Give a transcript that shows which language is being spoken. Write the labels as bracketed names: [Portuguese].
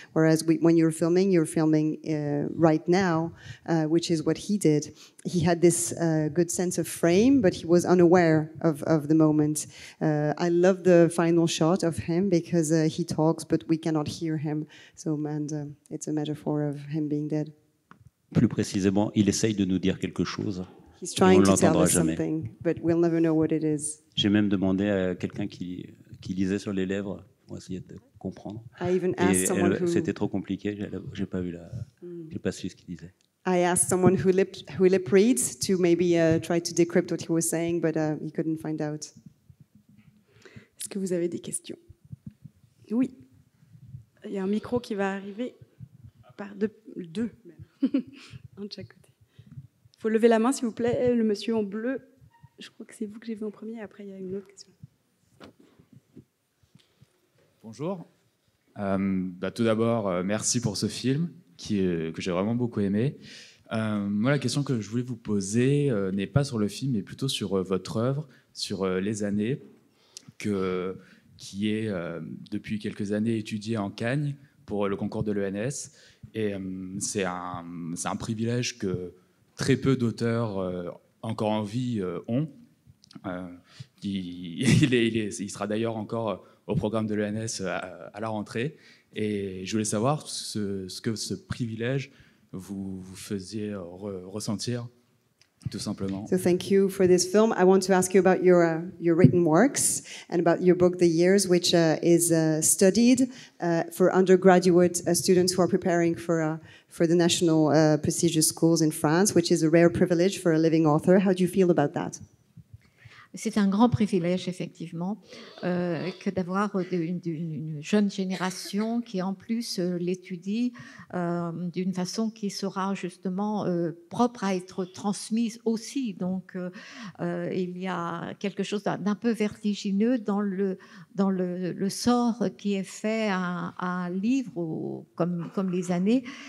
[English] Whereas when you're filming right now, which is what he did. He had this good sense of frame, but he was unaware of the moment. I love the final shot of him because he talks, but we cannot hear him. So, and it's a metaphor of him being dead. [French] Plus précisément, il essaye de nous dire quelque chose, mais on ne l'entendra jamais. [English] But we'll never know what it is. [French] J'ai même demandé à quelqu'un qui lisait sur les lèvres pour essayer de comprendre. [English] I even asked [French] et elle, c'était trop compliqué, j'ai pas vu la, j'ai pas su ce qu'il disait. [English] I asked someone who lip reads to maybe try to decrypt what he was saying, but he couldn't find out. [French] Est-ce que vous avez des questions? Oui. Il y a un micro qui va arriver par deux. Un de chaque côté. Il faut lever la main, s'il vous plaît. Le monsieur en bleu, je crois que c'est vous que j'ai vu en premier. Après, il y a une autre question. Bonjour. Tout d'abord, merci pour ce film que j'ai vraiment beaucoup aimé. Moi, la question que je voulais vous poser n'est pas sur le film, mais plutôt sur votre œuvre, sur les années, qui est depuis quelques années étudiée en Cagne pour le concours de l'ENS. Et c'est un privilège que très peu d'auteurs encore en vie ont. Il sera d'ailleurs encore au programme de l'ENS à la rentrée. Et je voulais savoir ce que ce privilège vous faisait ressentir. Tout simplement. [English] So thank you for this film. I want to ask you about your written works and about your book, The Years, which is studied for undergraduate students who are preparing for the national prestigious schools in France, which is a rare privilege for a living author. How do you feel about that? [French] C'est un grand privilège, effectivement, que d'avoir une jeune génération qui, en plus, l'étudie d'une façon qui sera justement propre à être transmise aussi. Donc, il y a quelque chose d'un peu vertigineux dans le sort qui est fait à un livre comme les années.